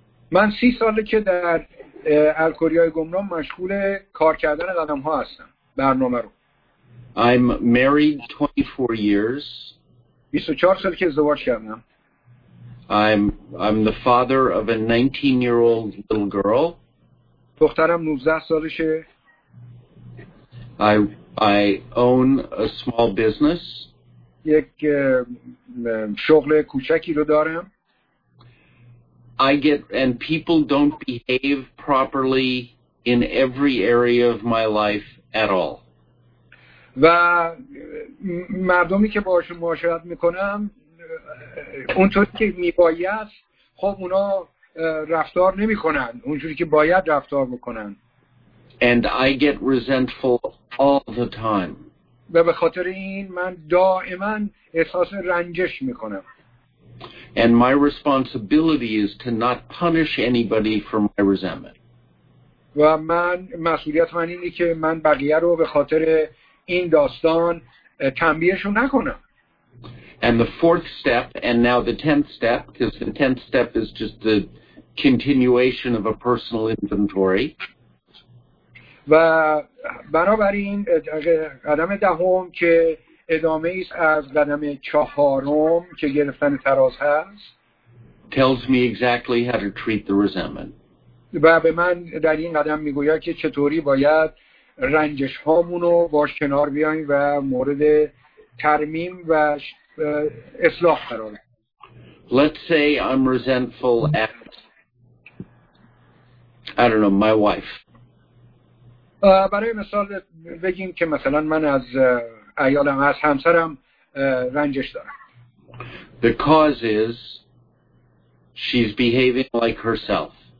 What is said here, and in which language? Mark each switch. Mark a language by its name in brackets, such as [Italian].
[Persian] من 30 ساله که در الکلی‌های گمنام مشغول کار کردن قدم ها هستم برنامه رو. [English] I'm married 24 years. [Persian] 24 سال که ازدواج کردم. [English] I'm the father of a 19-year-old little girl. [Persian] دخترم 19 سالشه. [English] I own a small business. [Persian] یک شغل کوچکی رو دارم. [English] And people don't behave properly in every area of my life at all. [Persian] و مردمی که باهاشون معاشرت میکنم اونطوری که میباید خب اونا رفتار نمیکنن اونجوری که باید رفتار میکنن. [English] And I get resentful all the time. [Persian] و به خاطر این من دائما احساس رنجش میکنم. [English] And my responsibility is to not punish anybody for my resentment. [Persian] و من مسئولیت من اینه که من بقیه رو به خاطر این داستان تنبیهشون نکنم. [English] And the fourth step, and now the tenth step, because the tenth step is just the continuation of a personal inventory. [Persian] و بنابراین قدم دهم که ادامه ایست از قدم چهارم که گرفتن تراز هست. [English] Tells me exactly how to treat the resentment. [Persian] و به من در این قدم میگوید که چطوری باید رنجش هامونو باش کنار بیاییم و مورد ترمیم و اصلاح قرار. [English] Let's say I'm resentful at, I don't know, my wife. [Persian] برای مثال بگیم که مثلا من از عیالم از همسرم رنجش دارم. [English] The cause is she's behaving like herself.